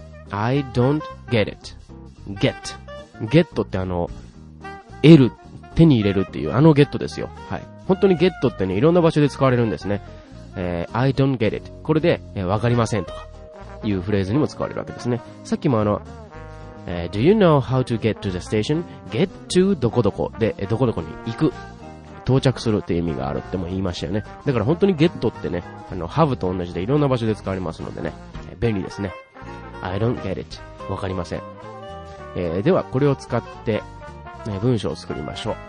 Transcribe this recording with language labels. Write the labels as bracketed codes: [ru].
[en] I don't get it. [ja] Get. Get ってあの、得る、手に入れるっていう、あの get ですよ。はい。本当に get ってね、いろんな場所で使われるんですね。 [en] I don't get it. [ja] これで、わかりませんとか、いうフレーズにも使われるわけですね。さっきもあの、 [en] Do you know how to get to the station? [ja] Get to どこどこで、どこどこに行く。到着するっていう意味があるっても言いましたよね。だから本当に get ってね、あの、have と同じでいろんな場所で使われますのでね、便利ですね。 [en] I don't get it. [ja] わかりません。では、これを使って、文章を作りましょう。